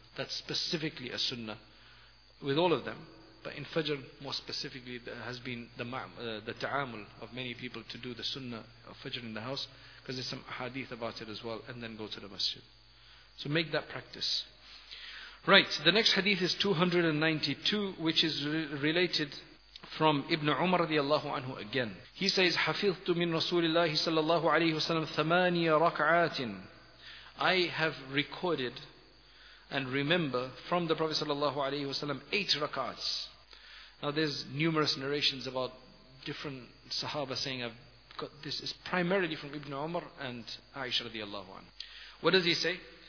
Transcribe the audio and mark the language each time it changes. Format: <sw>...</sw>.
<en>That's specifically a sunnah with all of them. But in Fajr, more specifically, there has been the ta'amul of many people to do the sunnah of Fajr in the house, because there's some hadith about it as well, and then go to the masjid. So make that practice. Right, the next hadith is 292, which is related from Ibn Umar radiallahu anhu again. He says,</en> <ar>حَفِظْتُ مِنْ رَسُولِ اللَّهِ صَلَى اللَّهُ عَلَيْهُ وَسَلَمْ ثَمَانِيَ رَكْعَاتٍ.</ar> <en>I have recorded and remember from the Prophet sallallahu alayhi wasallam 8 rakats. Now there's numerous narrations about different sahaba saying I've got this. Is primarily from Ibn Umar and Aisha radiallahu anhu. What does he say?</en>